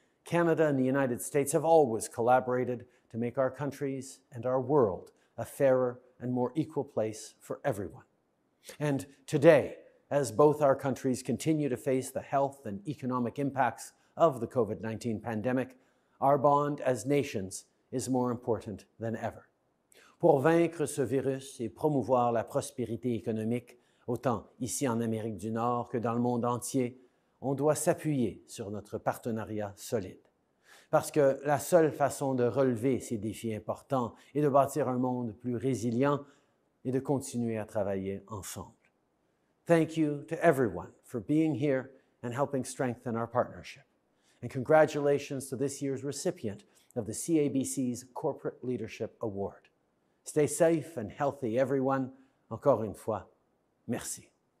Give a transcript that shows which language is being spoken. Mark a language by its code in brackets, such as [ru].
[en] Canada and the United States have always collaborated to make our countries and our world a fairer and more equal place for everyone. And today, as both our countries continue to face the health and economic impacts of the COVID-19 pandemic, our bond as nations is more important than ever. [fr] Pour vaincre ce virus et promouvoir la prospérité économique, autant ici en Amérique du Nord que dans le monde entier, on doit s'appuyer sur notre partenariat solide. Parce que la seule façon de relever ces défis importants et de bâtir un monde plus résilient et de continuer à travailler ensemble. [en] Thank you to everyone for being here and helping strengthen our partnership. And congratulations to this year's recipient of the CABC's Corporate Leadership Award. Stay safe and healthy, everyone. [fr] Encore une fois, merci.